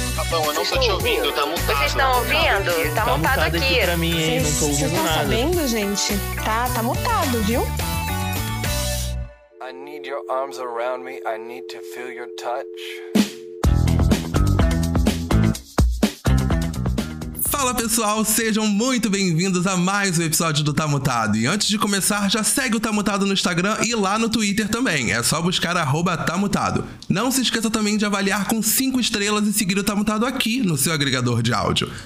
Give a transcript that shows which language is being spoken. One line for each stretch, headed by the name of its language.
Portuguese: Rafão, eu não tô te ouvindo, tá mutado. Vocês estão ouvindo? Tá mutado aqui. Aqui pra mim, hein? Vocês, não tô ouvindo vocês nada. Vocês estão sabendo, gente? Tá mutado, viu?
English: I need your arms around me, I need to feel your touch.
Portuguese: Fala pessoal, sejam muito bem-vindos a mais um episódio do Tá Mutado. E antes de começar, já segue o Tá Mutado no Instagram e lá no Twitter também. É só buscar @TaMutado. Não se esqueça também de avaliar com 5 estrelas e seguir o Tá Mutado aqui no seu agregador de áudio.